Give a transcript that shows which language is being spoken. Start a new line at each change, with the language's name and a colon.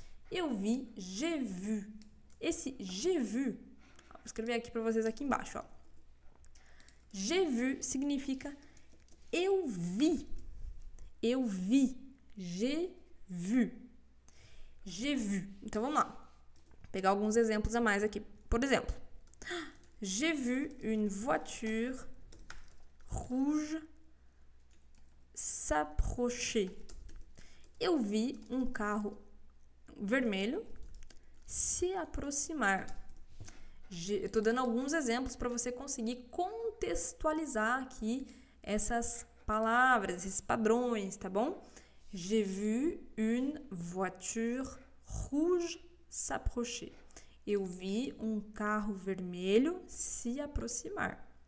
Portuguese: Eu vi,
French: j'ai vu.
Portuguese: Esse j'ai vu, vou escrever aqui para vocês aqui embaixo, ó.
French: J'ai vu
Portuguese: significa eu vi. Eu vi.
French: J'ai vu. J'ai vu.
Portuguese: Então vamos lá. Pegar alguns exemplos a mais aqui. Por exemplo,
French: j'ai vu une voiture rouge s'approcher.
Portuguese: Eu vi um carro vermelho se aproximar. Eu estou dando alguns exemplos para você conseguir contextualizar aqui essas palavras, esses padrões, tá bom?
French: J'ai vu une voiture rouge s'approcher.
Portuguese: Eu vi um carro vermelho se aproximar.